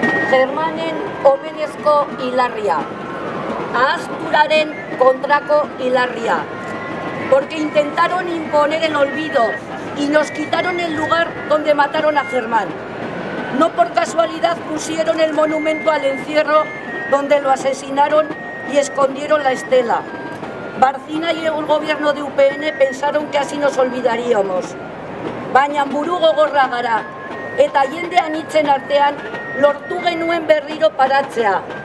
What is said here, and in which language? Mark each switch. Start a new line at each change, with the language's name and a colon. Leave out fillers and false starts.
Basque: Germanen omenezko hilarria. Ahazturaren kontrako hilarria.
Spanish: Porque intentaron imponer el olvido y nos quitaron el lugar donde mataron a Germán. No por casualidad pusieron el monumento al encierro donde lo asesinaron y escondieron la estela. Barcina y el gobierno de UPN pensaron que así nos olvidaríamos.
Basque: Baina buru gogorra gara, eta jende anitzen artean lortu genuen berriro paratzea.